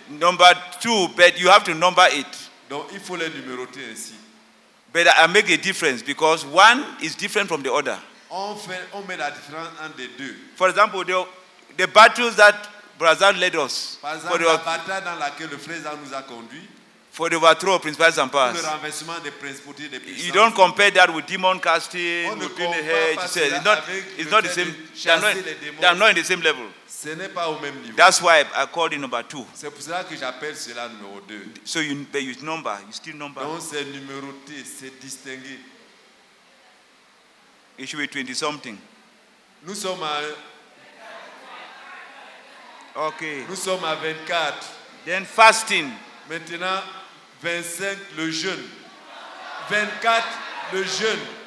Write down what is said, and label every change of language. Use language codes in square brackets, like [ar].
[en] Number two, but you have to number it. [fr] Donc il faut les numéroter ainsi. [en] But I make a difference because one is different from the other. [fr] On met la différence entre les deux. [en] For example, the battles that Brazzard led us. [fr] Par exemple, la bataille dans laquelle le frère Zan nous a conduit. [en] For the overthrow of principalities and powers. [fr] Le renversement des principautés, des puissances. [en] You don't compare that with demon casting, on with the hedge. It's not, the same. They're not in the same level. [fr] Ce n'est pas au même niveau. [en] That's why I called it number two. [fr] C'est pour cela que j'appelle cela numéro deux. [en] So you, but you number, you still number. [fr] Donc c'est numéroté, c'est distingué. [en] It should be 20 something. [fr] Nous sommes à. [en] Okay. [fr] Nous sommes à 24. [en] Then fasting. [fr] Maintenant, 25, le jeûne. 24, le jeûne.